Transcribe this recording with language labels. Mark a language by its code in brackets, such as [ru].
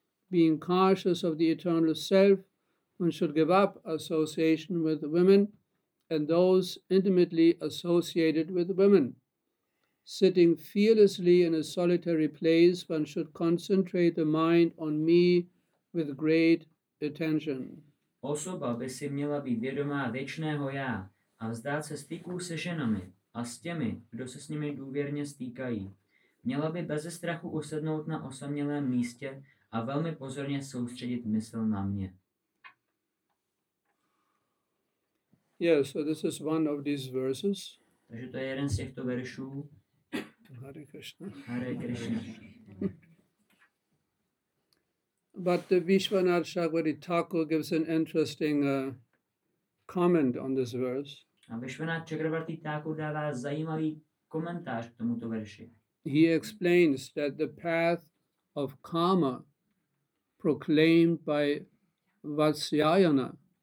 [en] Being conscious of the eternal self, one should give up association with women and those intimately associated with women. Sitting fearlessly in a solitary place, one should concentrate the mind on me with great attention. [cs] Osoba by si měla být vědomá věčného já a vzdát se styků se ženami a s těmi, kdo se s nimi důvěrně stýkají. Měla by beze strachu usednout na osamělém místě a velmi pozorně soustředit mysl na mě. [en] Yes, so this is one of these verses. [cs] Takže to je jeden z těchto veršů. [sa] Hare Krishna. Hare Krishna. [en] But the Vishwanath Chakravarti Thakur gives an interesting comment on this verse. [cs] A Vishwanath Chakravarti Thakur dává zajímavý komentář k tomuto verši. [en] He explains that the path of karma proclaimed by Vatsyayana.